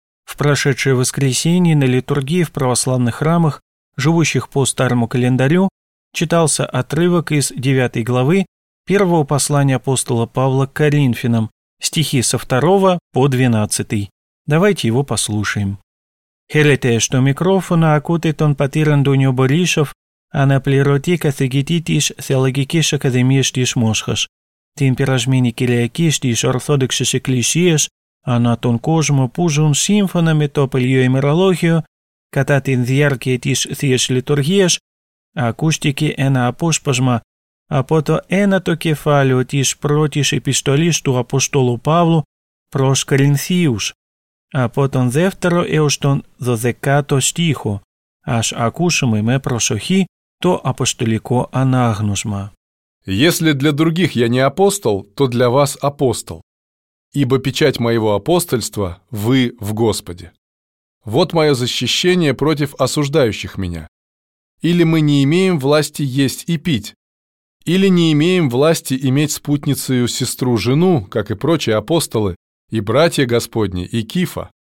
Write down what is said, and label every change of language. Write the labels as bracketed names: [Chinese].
[Russian] В прошедшее воскресенье на литургии в православных храмах, живущих по старому календарю, читался отрывок из 9 главы первого послания апостола Павла к Коринфянам, стихи со 2 по 12. Давайте его послушаем. [Greek] Χαίρετε στο μικρόφωνο ακούτε τον πατήρ Αντώνιο Μπορίσοφ, αναπληρωτή καθηγητή της Θεολογικής Ακαδημίας της Μόσχας. Την περασμένη Κυριακή στις Ορθόδοξες Εκκλησίες, ανά τον κόσμο που ζουν σύμφωνα με το παλιό ημερολόγιο, κατά την διάρκεια της Θείας Λειτουργίας, ακούστηκε ένα απόσπασμα από το 9ο κεφάλαιο της πρώτης επιστολής του Αποστόλου Παύλου προς Κορινθίους. Από τον 2ο έως τον 12ο στίχο, ας ακούσουμε με προσοχή το αποστολικό ανάγνωσμα. [Russian] «Если для других я не апостол, то для вас апостол, ибо печать моего апостольства – вы в Господе. Вот мое защищение против осуждающих меня. Или мы не имеем власти есть и пить, или не имеем власти иметь спутницею сестру-жену, как и прочие апостолы, и братья Господни, и Кифа.